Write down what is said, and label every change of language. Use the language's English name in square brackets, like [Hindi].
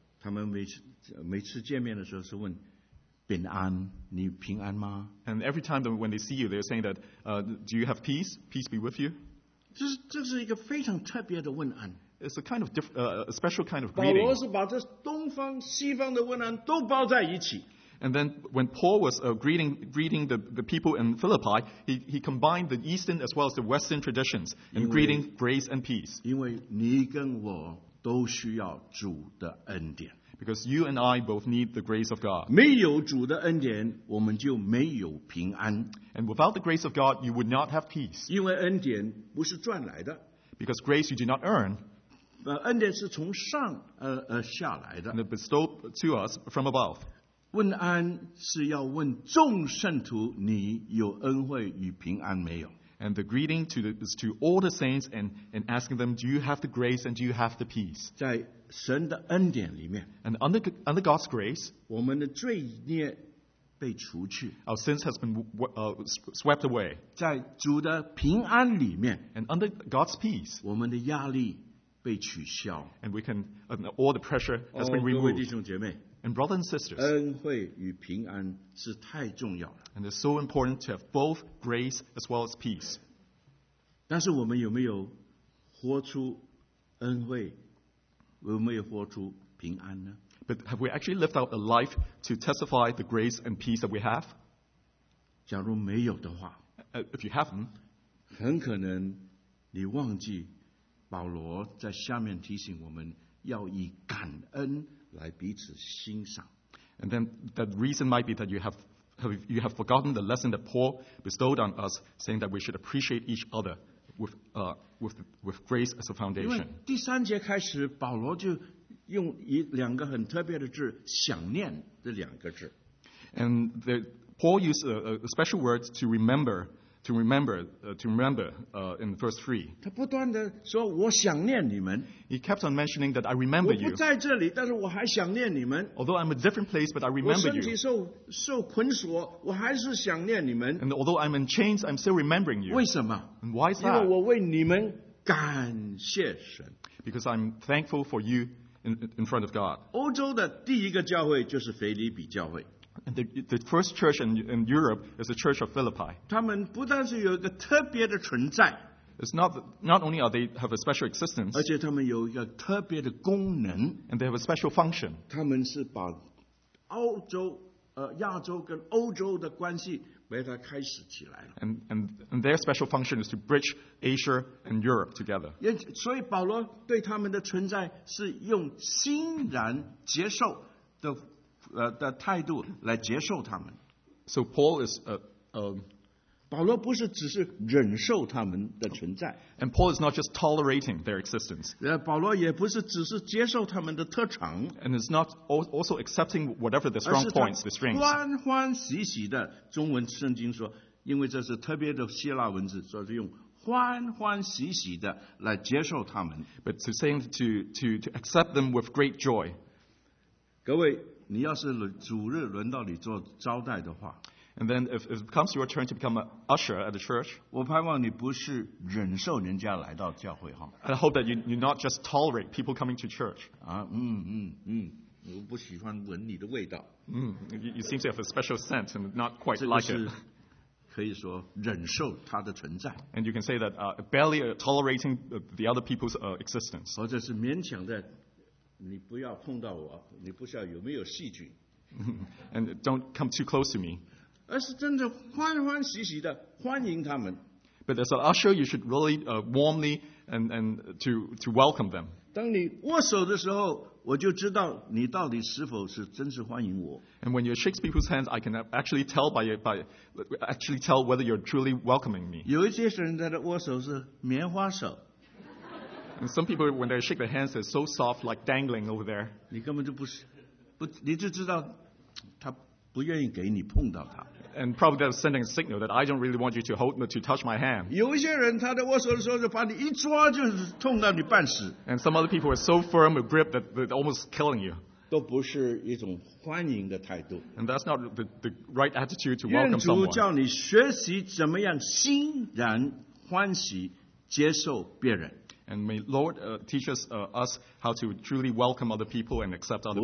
[Chinese] 他们每次见面的时候是问平安，你平安吗 [English] ？And every time when they see you, they're saying that, do you have peace? Peace be with you。 [Chinese] 这是一个非常特别的问安。 [English] It's a kind of a special kind of greeting. [Chinese] 保罗是把这东方西方的问安都包在一起。 [English] And then when Paul was greeting the people in Philippi, he combined the Eastern as well as the Western traditions in greeting grace and peace. [Chinese] 因为你跟我都需要主的恩典。 [English] Because you and I both need the grace of God. [Chinese] 没有主的恩典，我们就没有平安。 [English] And without the grace of God, you would not have peace. [Chinese] 因为恩典不是赚来的。 [English] Because grace you do not earn. [Chinese] 恩典是从上下来的。 [English] And bestowed to us from above. [Chinese] 问安是要问众圣徒，你有恩惠与平安没有？ [English] And the greeting to the, is to all the saints and asking them, do you have the grace and do you have the peace? [Chinese] 在神的恩典里面， [English] and under God's grace, [Chinese] 我们的罪孽被除去， [English] our sins has been swept away. [Chinese] 在主的平安里面， [English] and under God's peace, [Chinese] 我们的压力被取消， [English] and we can all the pressure has been removed. [Chinese] 各位弟兄姐妹。 [English] And brothers and sisters, [Chinese] 恩惠与平安是太重要了。 [English] And it's so important to have both grace as well as peace. [Chinese] 但是我们有没有活出恩惠？有没有活出平安呢？ [English] But have we actually lived out a life to testify the grace and peace that we have? [Chinese] 假如没有的话， [English] if you haven't, [Chinese] 很可能你忘记保罗在下面提醒我们要以感恩。来彼此欣赏。 [English] And then that reason might be that you have forgotten the lesson that Paul bestowed on us, saying that we should appreciate each other with grace as a foundation. [Chinese] 因为第三节开始，保罗就用一两个很特别的字，想念这两个字。 [English] And the Paul used a special word to remember, in the first three. [Chinese] 他不断地说我想念你们。 [English] He kept on mentioning that I remember you. [Chinese] 我不在这里，但是我还想念你们。 [English] Although I'm a different place, but I remember you. [Chinese] 我身体受捆锁，我还是想念你们。 [English] And although I'm in chains, I'm still remembering you. [Chinese] 为什么？ [English] And why is that? [Chinese] 因为我为你们感谢神。 [English] Because I'm thankful for you in front of God. [Chinese] 欧洲的第一个教会就是腓立比教会。 [English] And the first church in Europe is the church of Philippi. [Chinese] 他们不但是有一个特别的存在， [English] It's not only are they have a special existence, [Chinese] 而且他们有一个特别的功能， [English] and they have a special function. [Chinese] 他们是把欧洲、亚洲跟欧洲的关系把它开始起来了。 [English] And their special function is to bridge Asia and Europe together. [Chinese] 所以保罗对他们的存在是用欣然接受的。的态度来接受他们。 [English] So Paul is [Chinese] 保罗不是只是忍受他们的存在。 [English] And Paul is not just tolerating their existence. [Chinese] 保罗也不是只是接受他们的特长。 [English] And is not also accepting whatever the strong points, the strengths. [Chinese] 欢欢喜喜的，中文圣经说，因为这是特别的希腊文字，所以用。欢欢喜喜的来接受他们。 [English] But to saying to accept them with great joy. [Chinese] 各位。你要是主日轮到你做招待的话， [English] and then if it comes your turn to become an usher at the church, [Chinese] 我盼望你不是忍受人家来到教会哈。 [English] I hope that you not just tolerate people coming to church. [Chinese] 啊，我不喜欢闻你的味道。 [English] You seem to have a special scent and not quite like it. [Chinese] 这个是可以说忍受他的存在。 [English] And you can say that barely tolerating the other people's existence. [Chinese] 或者是勉强的。你不要碰到我，你不晓得有没有细菌。 [English] And don't come too close to me. [Chinese] 而是真的欢欢喜喜的欢迎他们。 [English] But as an usher, you should really warmly and to welcome them. [Chinese] 当你握手的时候，我就知道你到底是否是真是欢迎我。 [English] And when you shake people's hands, I can actually tell by whether you're truly welcoming me. [Chinese] 有一些人的握手是棉花手。 [English] And some people, when they shake their hands, they're so soft, like dangling over there. [Chinese] 你根本就不是，不，你就知道他不愿意给你碰到他。 [English] And probably they're sending a signal that I don't really want you to hold me to touch my hand. [Chinese] 有一些人他在握手的时候就把你一抓就痛到你半死。 [English] And some other people are so firm a grip that they're almost killing you. [Chinese] 都不是一种欢迎的态度。 [English] And that's not the right attitude to welcome someone. [Chinese] 愿主叫你学习怎么样欣然欢喜接受别人。 [English] And may Lord teach us how to truly welcome other people and accept other people.